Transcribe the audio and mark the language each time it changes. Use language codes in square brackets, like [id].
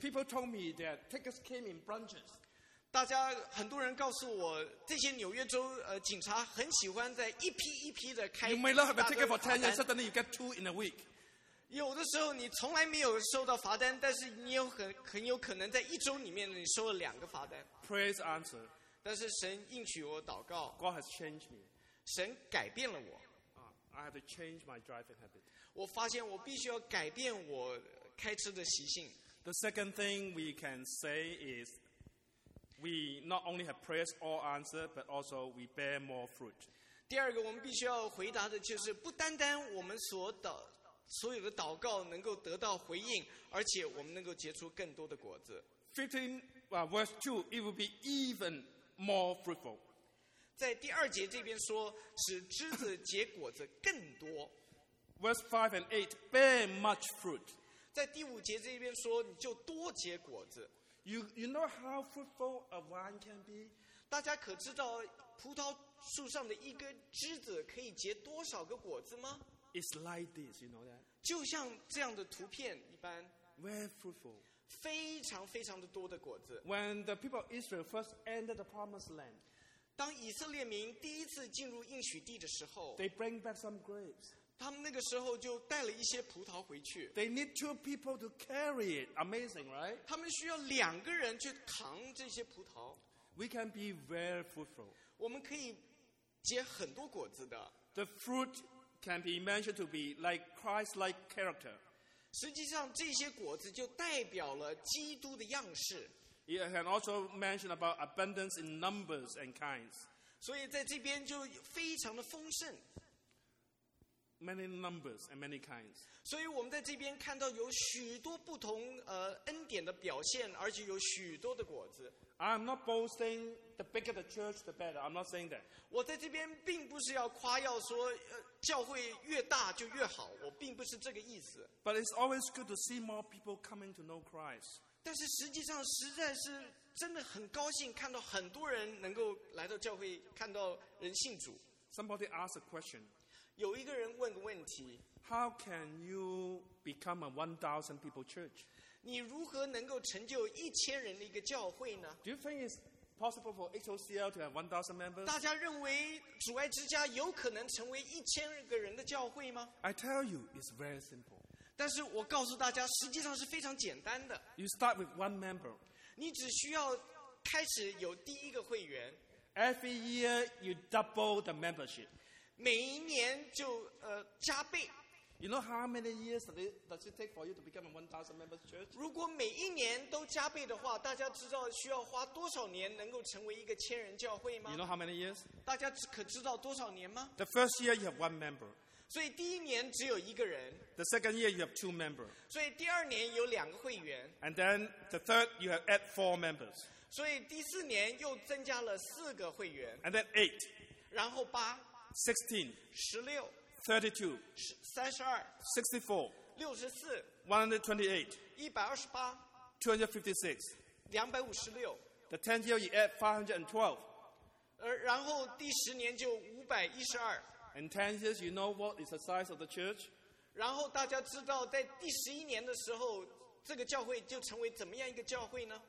[en] People told me that tickets came in bunches. [zh] 大家很多人告诉我这些纽约州警察很喜欢在一批一批的开罚单。 [en] You may not have a ticket for 10 years, suddenly you get 2 in a week. [zh] 有的时候你从来没有收到罚单但是你有 很有可能在一周里面你收了两个罚单。 [en] Praise answer. [zh] 但是神应许我祷告。 [en] God has changed me. [zh] 神改变了我。 [en] I have to change my driving habit. [zh] 我发现我必须要改变我开车的习性。 [en] The second thing we can say is we not only have prayers all answered, but also we bear more fruit. [zh] 第二个我们必须要回答的就是不单单我们所有的祷告能够得到回应，而且我们能够结出更多的果子。 [en] 15:2, it will be even more fruitful. [zh] 在第二节这边说使枝子结果子更多。 [en] Verse 5 and 8 bear much fruit. [zh] 在第五节这边说你就多结果子。 [en] You know how fruitful a vine can be? [zh] 大家可知道葡萄树上的一根枝子可以结多少个果子吗？ [en] It's like this, you know that? [zh] 就像这样的图片一般。 [en] Very fruitful. [zh] 非常非常的多的果子。 [en] When the people of Israel first entered the promised land, [zh] 当以色列民第一次进入应许地的时候 [en] they bring back some grapes. [zh] 他们那个时候就带了一些葡萄回去。 [en] They need two people to carry it. Amazing, right? [zh] 他们需要两个人去扛这些葡萄。 [en] We can be very fruitful. [zh] 我们可以结很多果子的。 [en] The fruit can be mentioned to be like Christ-like character. [zh] 实际上这些果子就代表了基督的样式。 [en] It can also mention about abundance in numbers and kinds. [zh] 所以在这边就非常的丰盛。 [en] Many numbers and many kinds. [zh] 所以我们在这边看到有许多不同恩典的表现，而且有许多的果子。 [en] I'm not boasting the bigger the church, the better. I'm not saying that. [zh] 我在这边并不是要夸耀说教会越大就越好，我并不是这个意思。 [en] But it's always good to see more people coming to know Christ. [zh] 但是实际上实在是真的很高兴看到很多人能够来到教会看到人信主。 [en] Somebody asked a question. [zh] 有一个人问个问题。 [en] How can you become a 1,000 people church? [zh] 你如何能够成就1,000人的一个教会呢？ [en] Do you think it's possible for HOCL to have 1,000 members? [zh] 大家认为主爱之家有可能成为1000个人的教会吗? [en] I tell you, it's very simple. [zh] 但是我告诉大家，实际上是非常简单的。 [en] You start with one member. [zh] 你只需要开始有第一个会员。 [en] Every year, you double the membership. [zh] 每一年就加倍。 [en] You know how many years does it take for you to become a 1,000 members church? [zh] 如果每一年都加倍的话，大家知道需要花多少年能够成为一个千人教会吗？ [en] You know how many years? [zh] 大家可知道多少年吗？ [en] The first year you have one member. [zh] 所以第一年只有一个人。 [en] The second year you have two members. [zh] 所以第二年有2个会员。 [en] And then the third you have add 4 members. [zh] 所以第四年又增加了4个会员。 [en] And then 8. [zh] 然后8。 [en] 16. [zh] 16。 [en] 32, [zh] 32 [en] 64 [zh] 64 [en] 128 [zh] 128 [en] 256 [zh] 256 [en] The 10th year you add 512 [zh] 然后第十年就512 [en] In 10 years you know what is the size of the church? [zh] 然后大家知道在第十一年的时候 这个教会就成为怎么样一个教会呢?